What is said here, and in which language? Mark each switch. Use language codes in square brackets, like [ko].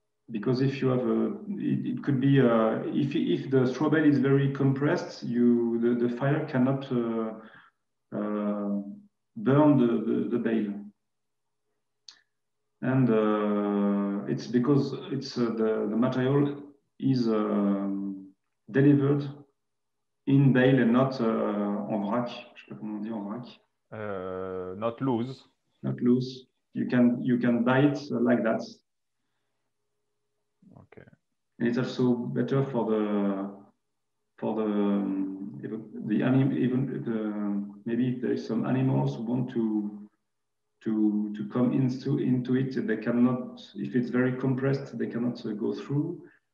[en] Because if you have if the straw bale is very compressed, the fire cannot burn the bale. And it's because it's the material is delivered in bale and not [fr] en vrac. Je sais pas comment on dit en vrac. [en] Not loose. Not loose. You can buy it like that. And it's also better for the animal, even the, maybe if there is some animals who want to come into it, they cannot, if it's very compressed, they cannot go through.